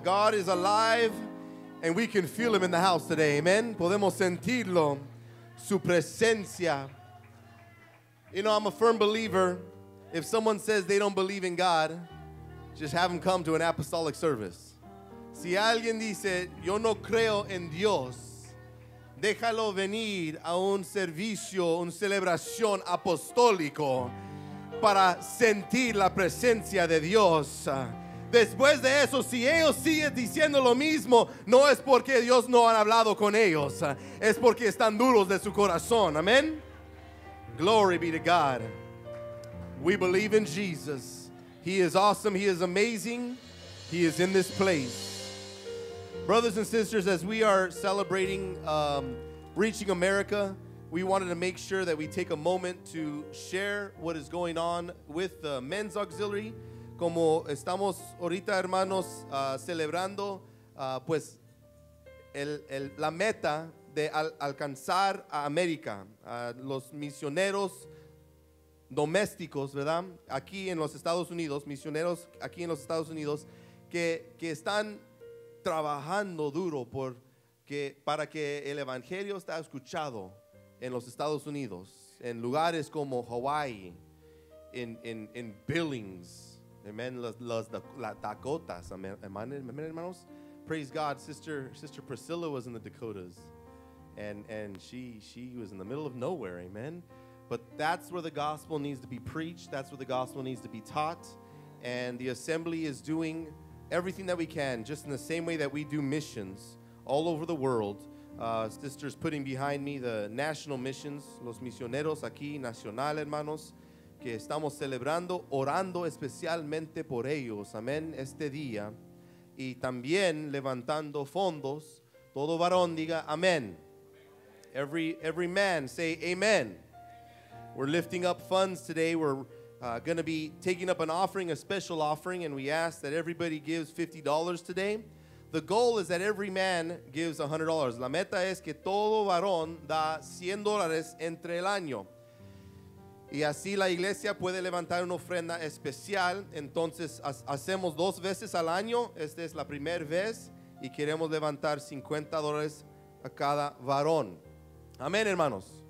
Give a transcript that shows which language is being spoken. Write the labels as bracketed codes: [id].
[en] God is alive and we can feel him in the house today, amen. [es] Podemos sentirlo, su presencia. [en] You know, I'm a firm believer, if someone says they don't believe in God, just have them come to an apostolic service. [es] Si alguien dice, yo no creo en Dios, déjalo venir a un servicio, una celebración apostólico, para sentir la presencia de Dios. Después de eso, si ellos siguen diciendo lo mismo, no es porque Dios no han hablado con ellos, es porque están duros de su corazón. [en] Amén. Glory be to God. We believe in Jesus. He is awesome. He is amazing. He is in this place. Brothers and sisters, as we are celebrating Reaching America, we wanted to make sure that we take a moment to share what is going on with the men's auxiliary. [es] Como estamos ahorita, hermanos, celebrando pues la meta de alcanzar a América, los misioneros domésticos, ¿verdad? Aquí en los Estados Unidos, misioneros aquí en los Estados Unidos que están trabajando duro para que el evangelio está escuchado en los Estados Unidos, en lugares como Hawaii, en Billings, amen, las Dakotas, amen, hermanos. [en] Praise God. Sister Priscilla was in the Dakotas, and she was in the middle of nowhere, amen. But that's where the gospel needs to be preached. That's where the gospel needs to be taught. And the assembly is doing everything that we can, just in the same way that we do missions all over the world. Sister's putting behind me the national missions, [es] los misioneros aquí, nacional, hermanos, que estamos celebrando, orando especialmente por ellos, amén, este día. Y también levantando fondos, todo varón diga amén. [en] Every man say amen. We're lifting up funds today. We're going to be taking up an offering, a special offering, and we ask that everybody gives $50 today. The goal is that every man gives $100. [es] La meta es que todo varón da $100 entre el año. Y así la iglesia puede levantar una ofrenda especial. Entonces, hacemos dos veces al año. Esta es la primera vez. Y queremos levantar $50 a cada varón. Amén, hermanos.